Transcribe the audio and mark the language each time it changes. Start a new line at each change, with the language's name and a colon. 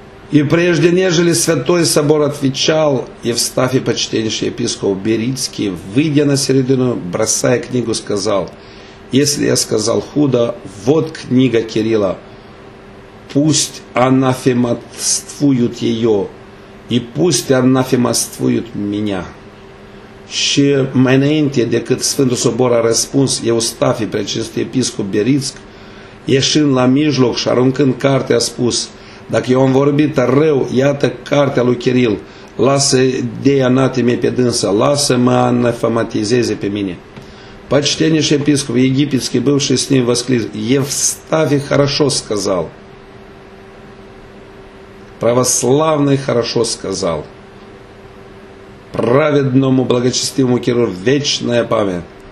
Russian: И прежде нежели святой собор отвечал, Евстафий, почтеннейший епископ Беритский, выйдя на середину, бросая книгу, сказал: «Если я сказал худо, вот книга Кирилла, пусть анафематствуют ее, и пусть анафемаствуют меня».
Romanian: Și mai înainte decât Sfântul Sobor a răspuns, Евстафий, preacinstit episcop Беритск, ieșind la mijloc și aruncând carte, a spus: «Dacă eu am vorbit rău, iată cartea lui Kirill, lasă de anateme pe dânsă, lasă-mă anafematizeze pe mine».
Russian: Почтеннейший епископ египетский, бывший с ним, восклиз: «Евстафий хорошо сказал». Православный хорошо сказал. Праведному благочестивому Кирилу вечная память.